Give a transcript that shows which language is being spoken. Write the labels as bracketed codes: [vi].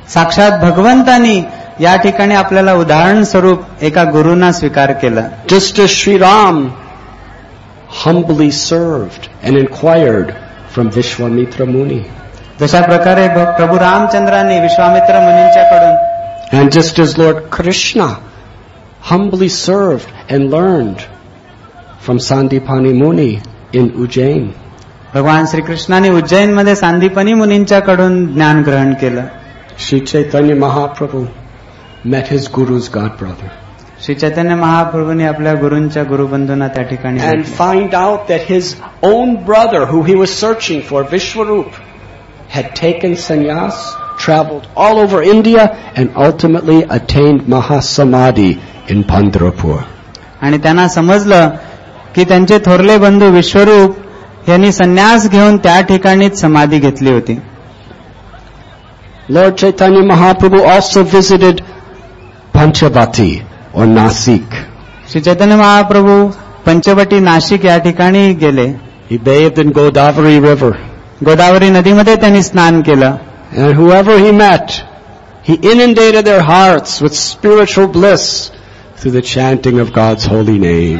[mr] साक्षात भगवंतांनी या ठिकाणी आपल्याला उदाहरण स्वरूप एका गुरुंना स्वीकार केला. [en] Just a Shriram humbly served and inquired from Vishwamitra Muni. [mr] जशा प्रकारे प्रभू रामचंद्रांनी Vishwamitra मुनींच्याकडून. [en] And just as Lord Krishna humbly served and learned from Sandipani Muni in Ujjain. [mr] भगवान श्री कृष्णाने उज्जैन मध्ये सांदीपनी मुनींच्याकडून ज्ञान ग्रहण केलं. [en] Shri Chaitanya Mahaprabhu met his guru's god brother. [mr] Shri Chaitanya महाप्रभूंनी आपल्या गुरुंच्या गुरुबंधूंना त्या ठिकाणी. [en] And find out that his own brother who he was searching for, Vishwarup, had taken sannyas, traveled all over India, and ultimately attained mahasamadhi in Pandharpur. [mr] आणि त्यांना समजलं की त्यांचे थोरले बंधू विश्वरूप यांनी संन्यास घेऊन त्या ठिकाणीच समाधी घेतली होती. [en] Lord Chaitanya Mahaprabhu also visited Panchavati or Nasik. [mr] Shri Chaitanya Mahaprabhu Panchavati Nashik या ठिकाणी गेले. [en] He bathed in Godavari river. [mr] Godavari नदीमध्ये त्यांनी स्नान केलं. [en] And whoever he met, He inundated their hearts with spiritual bliss through the chanting of God's holy name.